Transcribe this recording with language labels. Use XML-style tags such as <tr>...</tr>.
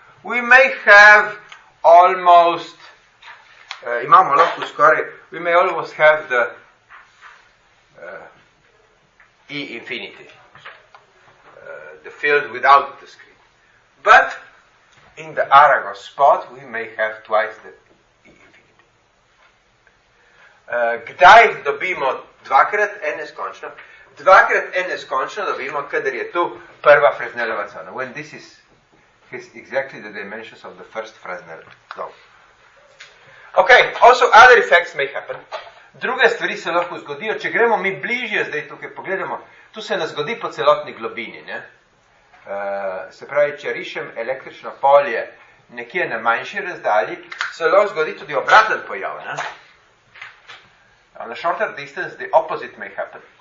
<en>We may have almost</en> <sl>imamo lahko skoraj,</sl> <en>we may almost have the E infinity, the field without the screen. But in the Arago spot we may have twice the E infinity.</en> <sl>Kdaj dobimo dvakrat N neskončno? Dvakrat N neskončno dobimo, kadar je tu prva Fresnelova cona.</sl> <en>When this is exactly the dimensions of the first Fresnel cone. Ok, also other effects may happen.</en> <sl>Druge stvari se lahko zgodijo. Če gremo mi bližje, zdaj tukaj pogledamo, tu se ne zgodi po celotni globini. Ne? Se pravi, če rišem električno polje nekje na manjši razdalji, se lahko zgodi tudi obraten pojav. Ne?</sl> <en>On a shorter distance, the opposite may happen.</en>